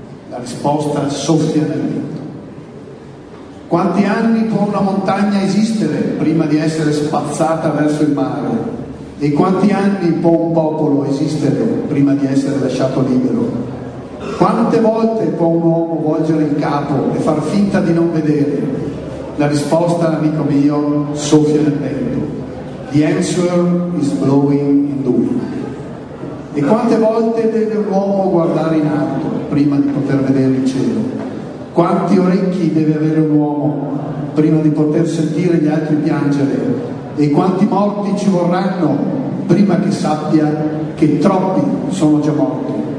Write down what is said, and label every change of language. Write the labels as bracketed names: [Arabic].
[Italian] La risposta soffia nel vento. Quanti anni può una montagna esistere prima di essere spazzata verso il mare? E quanti anni può un popolo esistere prima di essere lasciato libero? Quante volte può un uomo volgere il capo e far finta di non vedere? La risposta, amico mio, soffia nel vento. [English] The answer is blowing in the wind. [Italian] E quante volte deve un uomo guardare in alto prima di poter vedere il cielo? Quanti orecchi deve avere un uomo prima di poter sentire gli altri piangere? E quanti morti ci vorranno prima che sappia che troppi sono già morti?